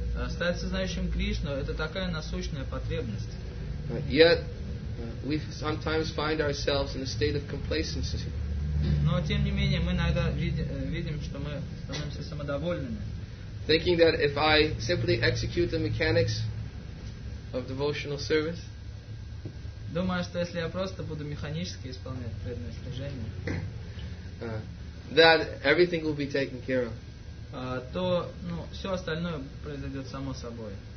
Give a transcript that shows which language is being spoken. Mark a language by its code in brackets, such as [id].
[ru] Стать сознающим Кришну — это такая насущная потребность. [en] Yet We sometimes find ourselves in a state of complacency. [ru] Но тем не менее мы иногда видим, что мы становимся самодовольными. [en] Thinking that if I simply execute the mechanics of devotional service, [ru] думаю, что если я просто буду механически исполнять преданное служение, [en] that everything will be taken care of. [ru] То, ну, все остальное произойдет само собой.